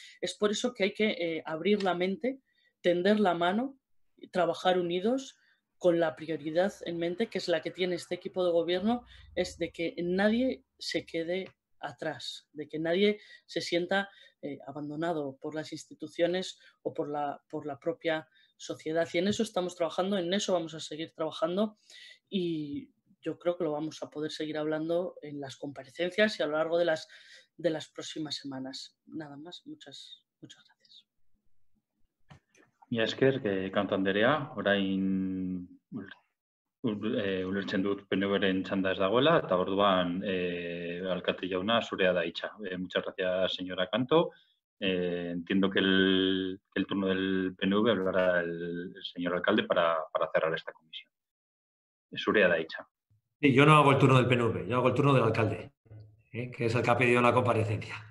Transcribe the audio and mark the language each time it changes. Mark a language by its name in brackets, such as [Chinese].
[Spanish] Es por eso que hay que abrir la mente, tender la mano, trabajar unidos, con la prioridad en mente, que es la que tiene este equipo de gobierno, es de que nadie se quede atrás, de que nadie se sienta abandonado por las instituciones o por la propia sociedad. Y en eso estamos trabajando, en eso vamos a seguir trabajando y yo creo que lo vamos a poder seguir hablando en las comparecencias y a lo largo de las próximas semanas. Nada más, muchas gracias. [Basque] Mila esker, Kanto Anderea, orain ulertzen dut PNV-ren txanda ez dagoela, eta orduan alkate jauna zurea da hitza. [Spanish] Muchas gracias, señora Kanto. Entiendo que el turno del PNV hablará el señor alcalde para cerrar esta comisión. [Basque] Zurea da hitza. [Spanish] Sí, yo no hago el turno del PNV, yo hago el turno del alcalde, que es el que ha pedido la comparecencia.